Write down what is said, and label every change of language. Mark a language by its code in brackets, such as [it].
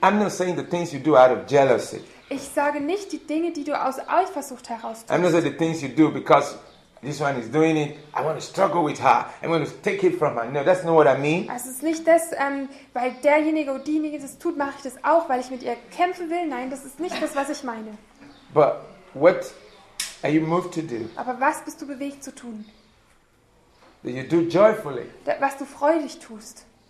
[en] I'm not saying the things you do out of jealousy. [de] Ich sage nicht die Dinge, die du aus Eifersucht heraus tust. [en] I'm not saying the things you do because this one is doing it. I want to struggle with her. I'm going to take it from her. No, that's not what I mean. [de] Also es ist nicht das, weil derjenige oder diejenige das tut, mache ich das auch, weil ich mit ihr kämpfen will. Nein, das ist nicht das, was ich meine. [en] But what are you moved to do? [de] Aber was bist du bewegt zu tun? [en] That you do joyfully. [de] Was du freudig tust.